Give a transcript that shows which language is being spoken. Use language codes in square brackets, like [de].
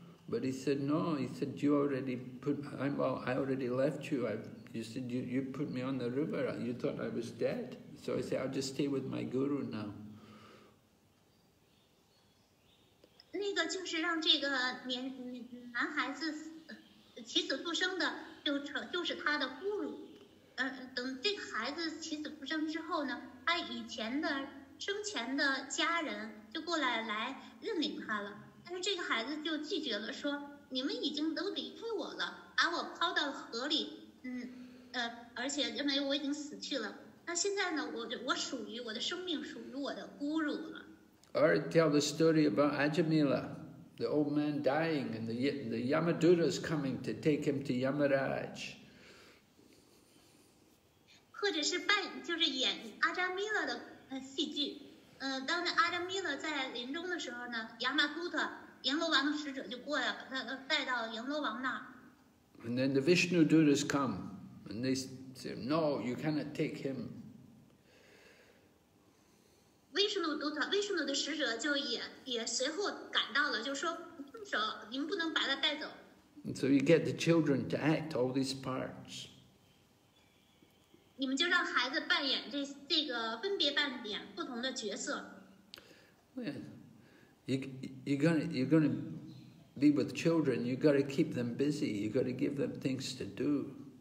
[en] But he said, no, he said, you already put, well, I already left you. You said, you put me on the river. You thought I was dead. So I said, I'll just stay with my guru now. [zh] 那个就是让这个男孩子起死复生的就是他的孤乳。等这个孩子起死复生之后呢，他以前的生前的家人就过来来认领他了，但是这个孩子就拒绝了，说你们已经都离开我了，把我抛到河里，而且认为我已经死去了，那现在呢，我属于我的生命属于我的孤乳了。 [en] I tell the story about Ajamila, the old man dying and the Yamadutta is coming to take him to Yamaraj. [zh] 或者是扮就是演阿扎米勒的戏剧，当阿扎米勒在临终的时候呢，亚玛古特阎罗王的使者就过来把他带到阎罗王那儿。 [en] And then the Vishnu Dutas come and they say, "No, you cannot take him." [zh] Vishnu Duta, Vishnu 的使者就也随后赶到了，就说放手，你们不能把他带走。 [en] And so you get the children to act all these parts. [zh] 你们就让孩子扮演这个分别扮演不同的角色。 [en] You're gonna be with children. You gotta keep them busy. You gotta give them things to do.